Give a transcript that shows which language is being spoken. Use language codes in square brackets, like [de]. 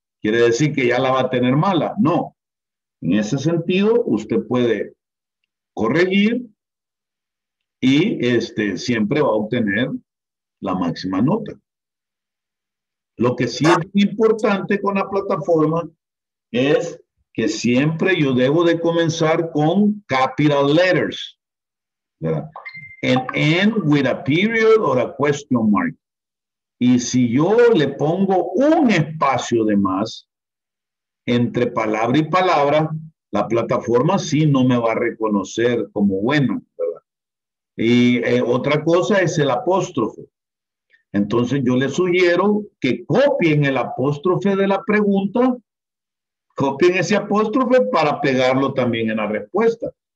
[es] Quiere decir que ya la va a tener mala. No. En ese sentido, usted puede corregir y siempre va a obtener la máxima nota. Lo que sí es importante con la plataforma es que siempre yo debo de comenzar con [en] capital letters, [es] ¿verdad? [en] And end with a period or a question mark. [es] Y si yo le pongo un espacio de más entre palabra y palabra, la plataforma sí no me va a reconocer como bueno, ¿verdad? Y otra cosa es el apóstrofe. Entonces yo les sugiero que copien el apóstrofe de la pregunta, copien ese apóstrofe para pegarlo también en la respuesta.